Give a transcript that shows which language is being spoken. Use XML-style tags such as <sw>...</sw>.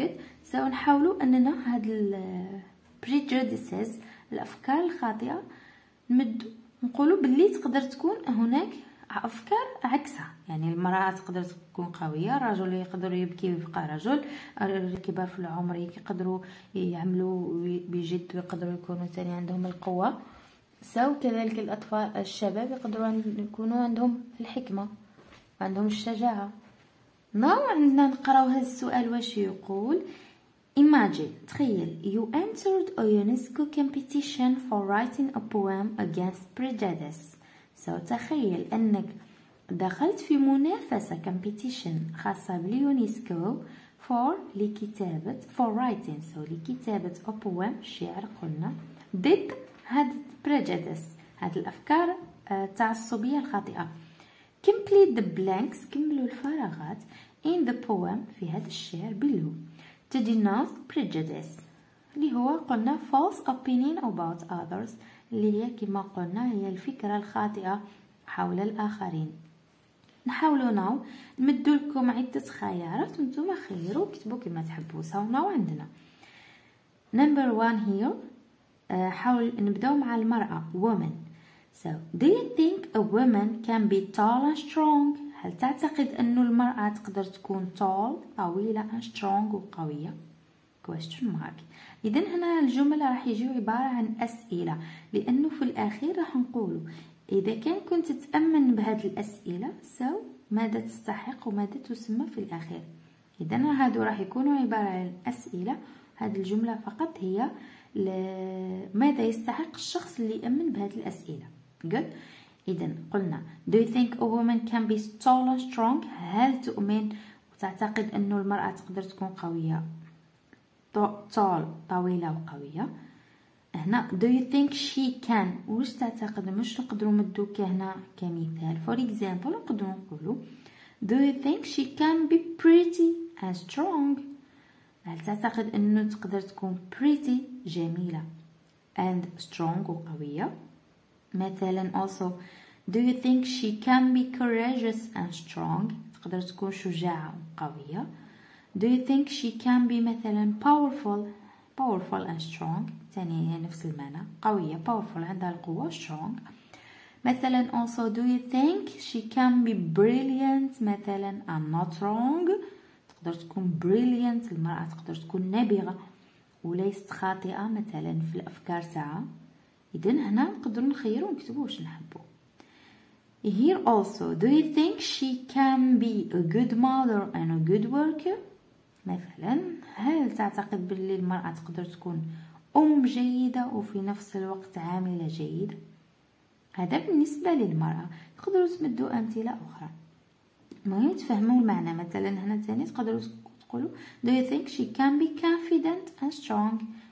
<ar>قد سنحاولوا اننا هاد البريجوديسز الافكار الخاطئه نمدوا، نقولوا باللي تقدر تكون هناك افكار عكسها، يعني المراه تقدر تكون قويه، الرجل يقدر يبكي ويبقى رجل، الكبار في العمر يقدروا يعملوا بجد ويقدروا يكونوا ثاني عندهم القوه. سو كذلك الاطفال الشباب يقدروا يكونوا عندهم الحكمه وعندهم الشجاعه. ناو عندنا نقراو هذا السؤال واش يقول.</ar> <en>Imagine, تخيل, you entered a UNESCO competition for writing a poem against prejudice.</en> <ar>So, تخيل أنك دخلت في منافسة competition خاصة باليونسكو for لكتابة</ar> <en>for writing</en> <ar>so لكتابة a poem شعر قلنا ضد هاد prejudice هاد الأفكار التعصبية الخاطئة.</ar> <en>Complete the blanks</en> <ar>كملوا الفراغات</ar> <en>in the poem</en> <ar>في هاد الشعر بلو.</ar> <en>To denounce prejudice</en> <ar>اللي هو قلنا</ar> <en>false opinion about others</en> <ar>اللي هي كما قلنا هي الفكرة الخاطئة حول الآخرين. نحاولوا ناو نمدوا لكم عدة خيارات وانتم خيروا كتبوا كما تحبوا. سو ناو عندنا</ar> <en>number one here،</en> <ar>حاول نبدأ مع المرأة woman.</ar> <en>So do you think a woman can be tall and strong؟</en> <ar>هل تعتقد أن المرأة تقدر تكون</ar> <en>tall طويلة and strong وقوية؟ question mark.</en> <ar>إذن هنا الجملة راح يجي عبارة عن أسئلة، لأنه في الأخير راح نقوله إذا كان كنت تأمن بهذه الأسئلة سو ماذا تستحق وماذا تسمى في الأخير. إذن هذا راح يكون عبارة عن أسئلة، هذه الجملة فقط هي ماذا يستحق الشخص اللي يأمن بهذه الأسئلة.</ar> <en>good.</en> <ar>إذن قلنا</ar> <en>do you think a woman can be tall and strong،</en> <ar>هل تؤمن وتعتقد أن المرأة تقدر تكون قوية tall طويلة وقوية. هنا</ar> <en>do you think she can،</en> <ar>واش تعتقد، مش نقدروا مدو كهنا كمثال for example، نقدروا نقولوا</ar> <en>do you think she can be pretty and strong،</en> <ar>هل تعتقد أنه تقدر تكون pretty جميلة and strong وقوية.</ar> <en>مثلا also do you think she can be courageous and strong،</en> <ar>تقدر تكون شجاعة وقوية.</ar> <en>do you think she can be مثلا powerful and strong،</en> <ar>تاني نفس المعنى قوية</ar> <en>powerful عندها القوة strong.</en> <ar>مثلا</ar> <en>also do you think she can be brilliant</en> <ar>مثلا and not wrong، تقدر تكون brilliant المرأة تقدر تكون نابغة وليست خاطئة مثلا في الأفكار تاعها. إذن هنا نقدروا نخيروا ونكتبوا واش نحبوا.</ar> <en>Here also, do you think she can be a good mother and a good worker?</en> <ar>مثلا هل تعتقد باللي المرأة تقدر تكون أم جيدة وفي نفس الوقت عاملة جيدة؟ هذا بالنسبة للمرأة. تقدروا تمدوا أمثلة أخرى. مهم تفهموا المعنى. مثلا هنا تاني تقدروا تقولوا</ar> <en>Do you think she can be confident and strong?</en>